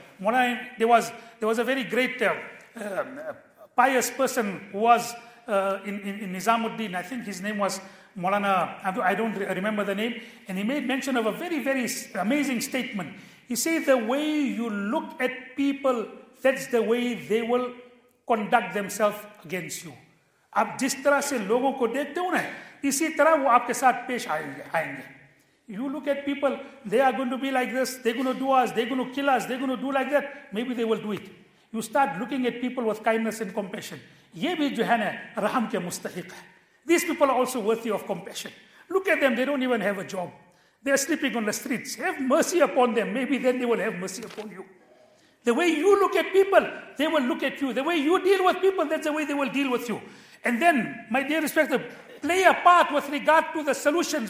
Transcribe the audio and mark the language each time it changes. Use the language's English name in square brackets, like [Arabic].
[English] There was a very great, pious person who was in Nizamuddin. I think his name was Maulana. I don't remember the name. And he made mention of a very, very amazing statement. He said, the way you look at people, that's the way they will conduct themselves against you. [Hindi] आप जिस तरह से लोगों को देखते हो ना, इसी तरह वो आपके साथ पेश आएंगे. [English] You look at people, they are going to be like this, they're going to do us, they're going to kill us, they're going to do like that, maybe they will do it. You start looking at people with kindness and compassion. [Hindi] ये भी जो है ना, रहम के मुस्तहिक है. [English] These people are also worthy of compassion. Look at them, they don't even have a job. They are sleeping on the streets. Have mercy upon them, maybe then they will have mercy upon you. The way you look at people, they will look at you. The way you deal with people, that's the way they will deal with you. And then, my dear respected, play a part with regard to the solutions.